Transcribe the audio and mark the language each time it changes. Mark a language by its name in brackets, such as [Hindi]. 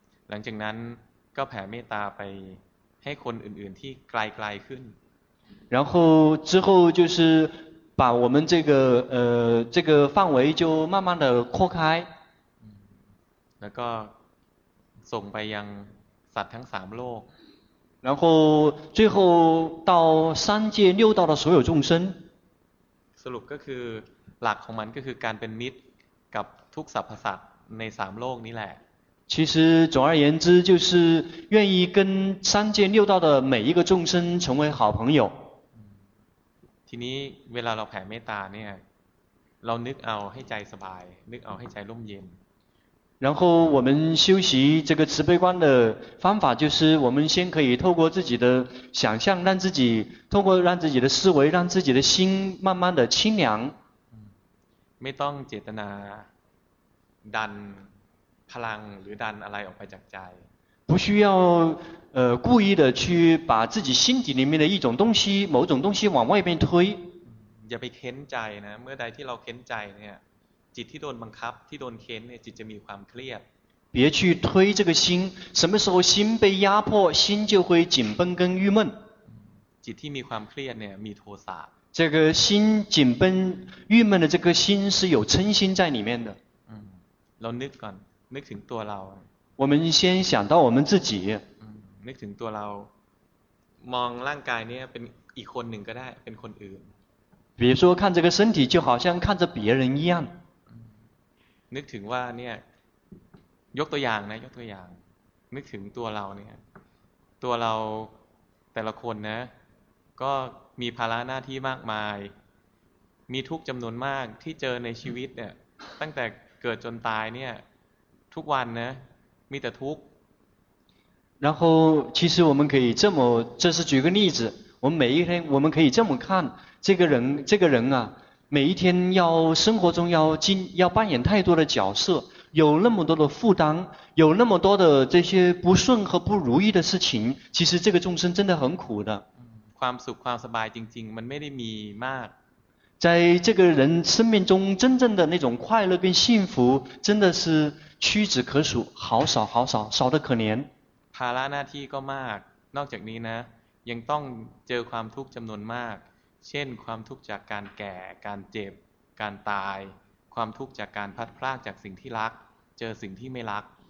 [Thai] หลังจากนั้นก็แผ่เมตตาไปให้คนอื่นๆที่ไกลๆขึ้น [Chinese] 然后之后就是把我们这个范围就慢慢的扩开 [Thai] แล้วก็ส่งไปยังสัตว์ทั้ง3โลก [Chinese] 然后最后到三界六道的所有众生 [Thai] สรุปก็คือหลักของมันก็คือการเป็นมิตรกับทุกสรรพสัตว์ใน3โลกนี้แหละ [Chinese] 其实总而言之就是愿意跟三界六道的每一个众生成为好朋友 [Thai] ทีนี้เวลาเราแผ่เมตตาเนี่ยเรานึกเอาให้ใจสบายนึกเอาให้ใจร่มเย็น [Chinese] 然后我们修习这个慈悲观的方法就是我们先可以透过自己的想象让自己透过让自己的思维让自己的心慢慢的清凉 [Thai] ไม่ต้องเจตนาดันพลังหรือดันอะไรออกไปจากใจ [Chinese] 不需要故意的去把自己心底里面的一种东西某种东西往外面推 [Thai] อย่าไปเค้นใจนะเมื่อใดที่เราเค้นใจเนี่ยจิตที่โดนบังคับที่โดนเค้นเนี่ยจิตจะมีความเครียด [Chinese] 别去推这个心什么时候心被压迫心就会紧绷跟郁闷 [Thai] จิตที่มีความเครียดเนี่ยมีโทสะ [Chinese] 这个心紧绷郁闷的这个心是有嗔心在里面的 [Thai] เรานึกก่อนนึกถึงตัวเรา [Chinese] 我们先想到我们自己 [Thai] นึกถึงตัวเรามองร่างกายเนี่ยเป็นอีกคนหนึ่งก็ได้เป็นคนอื่น [Chinese] 比如说看这个身体就好像看着别人一样。 [Thai] นึกถึงว่าเนี่ยยกตัวอย่างนะยกตัวอย่างนึกถึงตัวเราเนี่ยตัวเราแต่ละคนนะก็มีภาระหน้าที่มากมายมีทุกจำนวนมากที่เจอในชีวิตเนี่ยตั้งแต่เกิดจนตายเนี่ยทุกวันนะมีแต่ทุกข์ [Chinese] 然后其实我们可以这么这是举个例子我们每一天我们可以这么看这个人啊每一天要生活中要进要扮演太多的角色有那么多的负担有那么多的这些不顺和不如意的事情其实这个众生真的很苦的 [Thai] ความสุขความสบายจริงๆมันไม่ได้มีมาก [Chinese] 在这个人生命中真正的那种快乐跟幸福真的是屈指可数好少好少少得可怜 [Thai] ภาระหน้าที่ก็มากนอกจากนี้นะยังต้องเจอความทุกข์จำนวนมากเช่นความทุกข์จากการแก่การเจ็บการตายความทุกข์จากการพัดพรากจากสิ่งที่รักเจอสิ่งที่ไม่รัก